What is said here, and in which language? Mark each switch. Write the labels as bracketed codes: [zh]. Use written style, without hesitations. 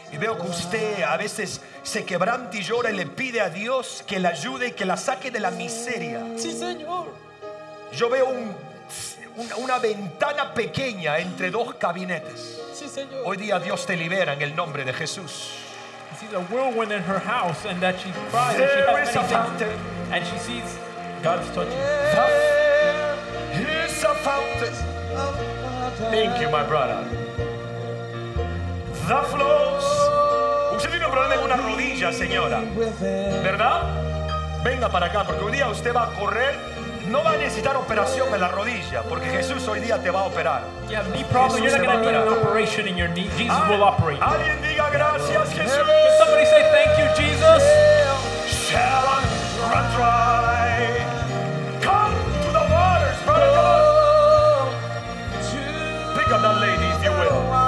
[es] Y veo que usted a veces se quebranta y llora y le pide a Dios que la ayude y que la saque de la miseria. Sí, señor. Yo veo una ventana pequeña entre dos gabinetes. Sí, señor. Hoy día Dios te libera en el nombre de Jesús. [en] She sees a whirlwind in her house, and that she cries, and she has many things, and she sees God's touching. There is a fountain. Thank you, my brother. The flows. [es] Usted tiene un problema en una rodilla, señora, ¿verdad? Venga para acá, porque hoy día usted va a correr. No va a necesitar operación en la rodilla, porque Jesús hoy día te va a operar. [en] You have knee problems. You're not going to need an operation in your knee. Jesus will operate. [es] Alguien diga gracias, Jesús. [en] Can somebody say thank you, Jesus? Shall I run dry? Come to the waters, brother. Come on. Pick up that lady, if you will.